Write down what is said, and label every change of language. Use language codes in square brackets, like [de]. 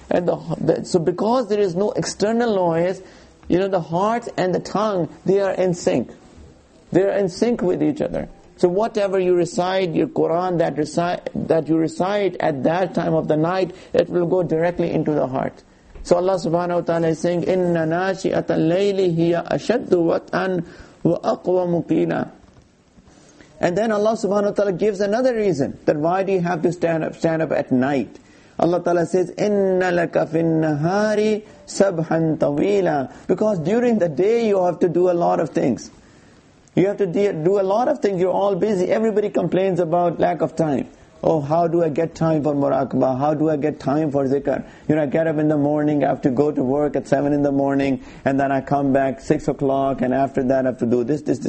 [en] And so because there is no external noise, you know, the heart and the tongue, they are in sync. They are in sync with each other. So whatever you recite, your Quran that you recite at that time of the night, it will go directly into the heart. So Allah subhanahu wa ta'ala is saying, [ar] إِنَّ نَاشِئَةَ اللَّيْلِ هِيَ أَشَدُّ وَطْأً وَأَقْوَ مُقِيلًا. [en] And then Allah subhanahu wa ta'ala gives another reason, that why do you have to stand up at night? Allah ta'ala says, [ar] إِنَّ لَكَ فِي النَّهَارِ سَبْحًا طَوِيلًا. [en] Because during the day you have to do a lot of things. You have to do a lot of things. You're all busy. Everybody complains about lack of time. Oh, how do I get time for muraqabah? How do I get time for zikr? You know, I get up in the morning, I have to go to work at 7 in the morning, and then I come back 6 o'clock, and after that I have to do this.